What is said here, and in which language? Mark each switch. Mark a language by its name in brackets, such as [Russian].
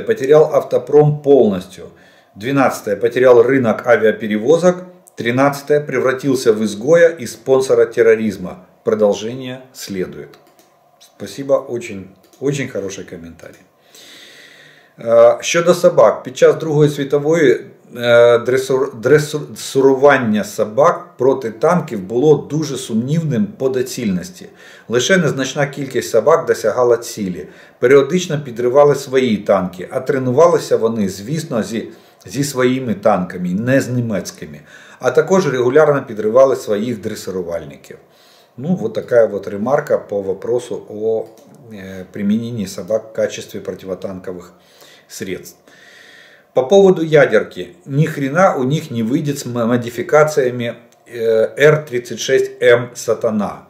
[Russian] Потерял автопром полностью. Двенадцатое. Потерял рынок авиаперевозок. Тринадцатое. Превратился в изгоя и спонсора терроризма. Продолжение следует. Спасибо, очень хороший комментарий. [Ukrainian] Щодо собак. Під час Другої світової дресурування собак проти танків було дуже сумнівним по доцільності. Лише незначна кількість собак досягала цілі. Періодично підривали свої танки, а тренувалися вони, звісно, зі своїми танками, не з німецькими. А також регулярно підривали своїх дресирувальників. [Russian] Ну, вот такая вот ремарка по вопросу о применении собак в качестве противотанковых средств. По поводу ядерки. Ни хрена у них не выйдет с модификациями R-36M «Сатана».